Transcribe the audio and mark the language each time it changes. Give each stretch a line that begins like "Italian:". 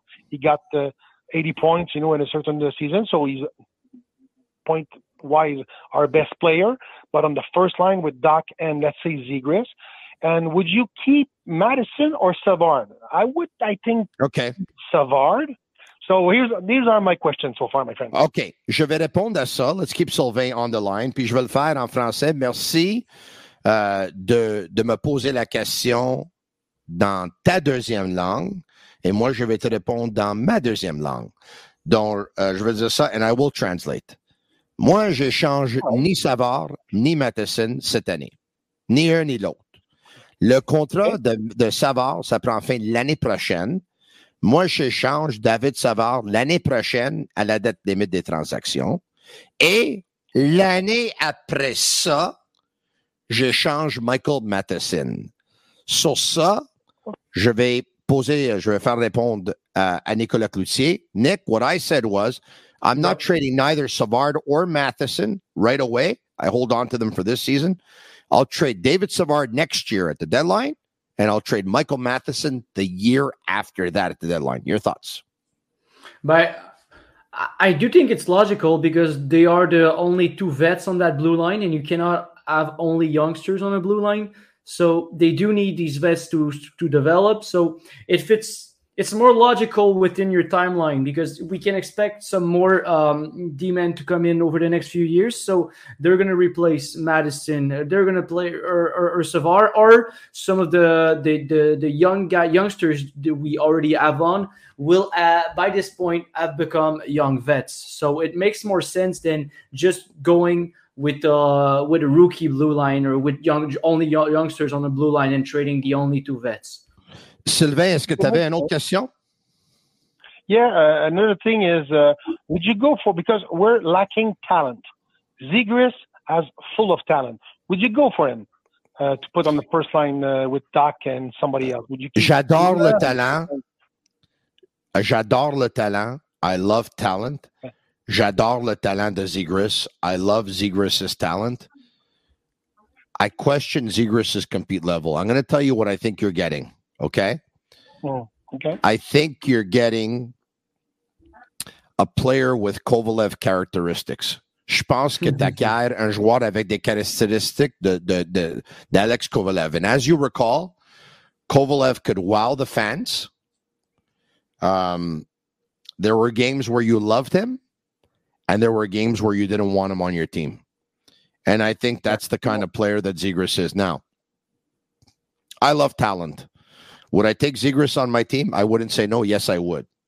English: He got 80 points, you know, in a certain season. So he's point-wise our best player. But on the first line with Doc and, let's say, Zegras. And would you keep Madison or Savard? I think Savard. So these are my questions so far, my friend. Okay,
French: je vais répondre à ça.
English: Let's keep Sylvain on the line.
French: Puis je vais le faire en français. Merci de me poser la question dans ta deuxième langue. Et moi, je vais te répondre dans ma deuxième langue. Donc, je vais dire ça,
English: and I will translate.
French: Moi, je change ni Savard ni Madison cette année. Ni un ni l'autre. Le contrat de Savard, ça prend fin l'année prochaine. Moi, je change David Savard l'année prochaine à la date limite des transactions. Et l'année après ça, je change Michael Madison. Sur ça, je vais faire répondre à Nicolas Cloutier.
English: Nick, what I said was, I'm not trading neither Savard or Madison right away. I hold on to them for this season. I'll trade David Savard next year at the deadline, and I'll trade Michael Matheson the year after that at the deadline. Your thoughts? But I do think it's logical because they are the only two vets on that blue line, and you cannot have only youngsters on a blue line. So they do need these vets to develop. So it fits. It's more logical within your timeline because we can expect some more D-men to come in over the next few years. So they're going to replace Madison. They're going to play or Savar or some of the young guy, youngsters that we already have on will, by this point, have become young vets. So it makes more sense than just going with a rookie blue line or with youngsters on the blue line and trading the only two vets.
French: Sylvain, est-ce que tu avais une autre question?
English: Yeah, another thing is, would you go for, because we're lacking talent. Zegras has full of talent. Would you go for him to put on the first line with Doc and somebody else? Would you keep
French: J'adore le talent. J'adore le talent.
English: I love talent.
French: J'adore le talent de Zegras.
English: I love Zegras' talent. I question Zegras' compete level. I'm going to tell you what I think you're getting. Okay. Okay. I think you're getting a player with Kovalev characteristics.
French: Je pense que t'as guère un joueur avec des caractéristiques de d'Alex Kovalev.
English: And as you recall, Kovalev could wow the fans. There were games where you loved him, and there were games where you didn't want him on your team. And I think that's the kind of player that Zegras is. Now, I love talent. Would I take Zegras on my team? I wouldn't say no. Yes, I would.